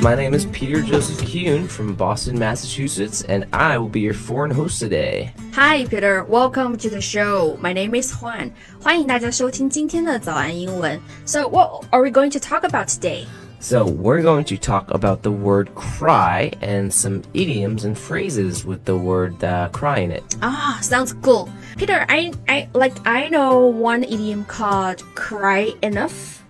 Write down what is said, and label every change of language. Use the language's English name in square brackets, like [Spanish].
[English] My name is Peter Joseph Kuhn from Boston, Massachusetts, and I will be your foreign host today. Hi, Peter. Welcome to the show. My name is Juan. [Chinese] 欢迎大家收听今天的早安英文。 [English] So, what are we going to talk about today? So we're going to talk about the word cry and some idioms and phrases with the word cry in it. Ah, sounds cool. Peter, I know one idiom called cry enough.